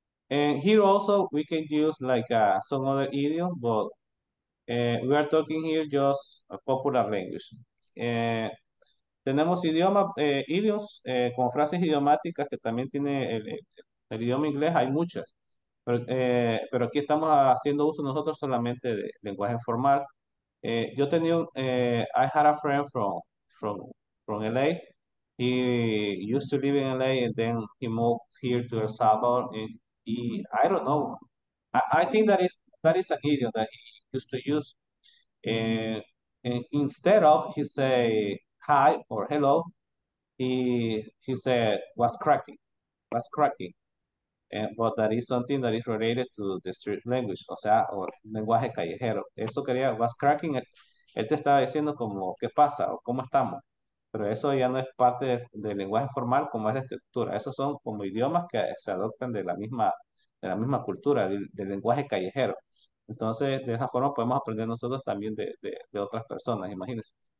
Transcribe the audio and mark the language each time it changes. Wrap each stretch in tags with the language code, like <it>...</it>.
<en>And here also, we can use like some other idiom, but we are talking here just a popular language.</en> <es>Tenemos idioma, idioms con frases idiomáticas que también tiene el idioma inglés, hay muchas. Pero aquí estamos haciendo uso nosotros solamente de lenguaje formal. Yo tenía,</es> <en>I had a friend from LA. He used to live in LA and then he moved here to El Salvador. And he, I don't know. I think that is an idiom that he used to use. And instead of he say hi or hello, he said what's cracking. But that is something that is related to the street language,</en> <es>o sea, o lenguaje callejero. Eso quería, was cracking, él te estaba diciendo como, ¿qué pasa? O ¿cómo estamos? Pero eso ya no es parte del lenguaje formal como es la estructura. Esos son como idiomas que se adoptan de la misma cultura, del lenguaje callejero. Entonces, de esa forma podemos aprender nosotros también de otras personas, imagínense.</es>